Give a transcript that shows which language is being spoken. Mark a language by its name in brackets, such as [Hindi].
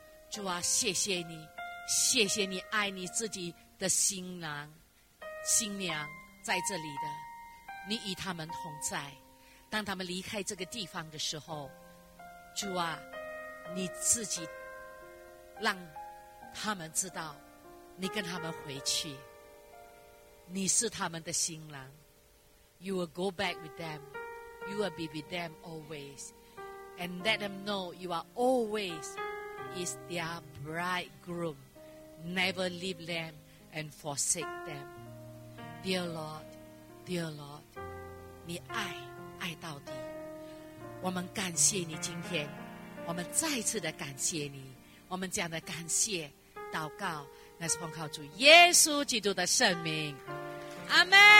[Chinese] 主啊，谢谢你，谢谢你爱你自己的新郎新娘在这里的，你与他们同在。当他们离开这个地方的时候，主啊，你自己让他们知道你跟他们回去，你是他们的新郎。 [English] You will go back with them, you will be with them always, and let them know you are always is their bridegroom. Never leave them and forsake them. Dear Lord, dear Lord, [Chinese] 你爱爱到底。我们感谢你今天，我们再次的感谢你，我们这样的感谢祷告乃是奉靠主耶稣基督的圣名，阿们。